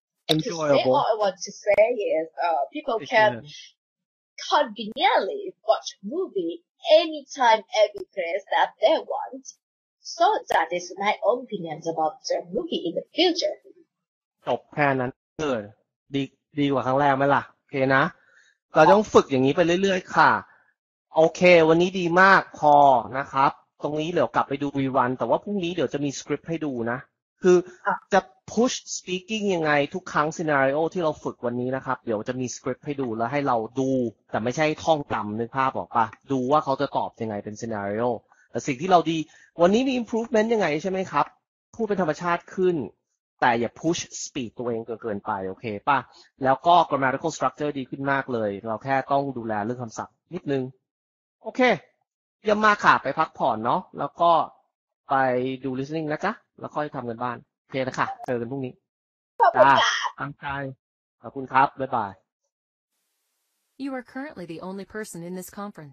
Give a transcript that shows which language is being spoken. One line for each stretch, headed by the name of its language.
English: enjoyable. All I want to say is people can conveniently watch movie anytime, every place that they want. So that is my own opinion about the movie in the future.
Thai: จบแค่นั้นเลยดีกว่าครั้งแรกไหมล่ะโอเคนะเราต้องฝึกอย่างนี้ไปเรื่อยๆค่ะโอเควันนี้ดีมากพอนะครับตรงนี้เดี๋ยวกลับไปดูรีวันแต่ว่าพรุ่งนี้เดี๋ยวจะมีสคริปต์ให้ดูนะคือจะพุชสปีกิ่งยังไงทุกครั้งซีนาริโอที่เราฝึกวันนี้นะครับเดี๋ยวจะมีสคริปต์ให้ดูแล้วให้เราดูแต่ไม่ใช่ท่องจำนึกภาพออกปะดูว่าเขาจะตอบยังไงเป็นซีนาริโอแต่สิ่งที่เราดีวันนี้มีอิมพรูฟเมนต์ยังไงใช่ไหมครับพูดเป็นธรรมชาติขึ้น แต่อย่าพุชสปีดตัวเองเกินไปโอเคปะแล้วก็ grammatical structure ดีขึ้นมากเลยเราแค่ต้องดูแลเรื่องคำศัพท์นิดนึงโอเคยังมาค่ะไปพักผ่อนเนาะแล้วก็ไปดู listening นะจ๊ะแล้วค่อยทำเงินบ้านโอเคนะค่ะเจอกันพรุ่งนี้ จ้ าตั้งใจขอบคุณครับบ๊ายบาย
English: You are currently the only person in this conference.